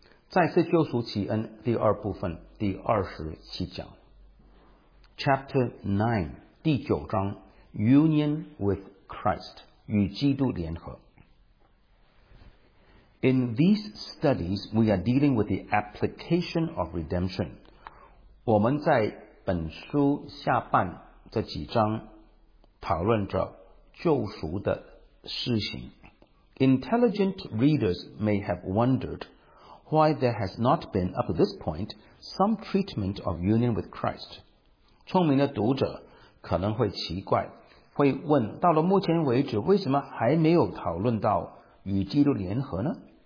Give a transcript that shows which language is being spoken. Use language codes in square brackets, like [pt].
[zh] 再次救赎启恩第二部分第二十七讲 [en] Chapter 9, [zh] 第九章 [en] Union with Christ, [zh] 与基督联合 [en] In these studies, we are dealing with the application of redemption. [zh] 我们在本书下半这几章讨论着救赎的事情。 [en] Intelligent readers may have wondered why there has not been, up to this point, some treatment of union with Christ. [zh] 聪明的读者可能会奇怪，会问，到了目前为止，为什么还没有讨论到与基督联合呢？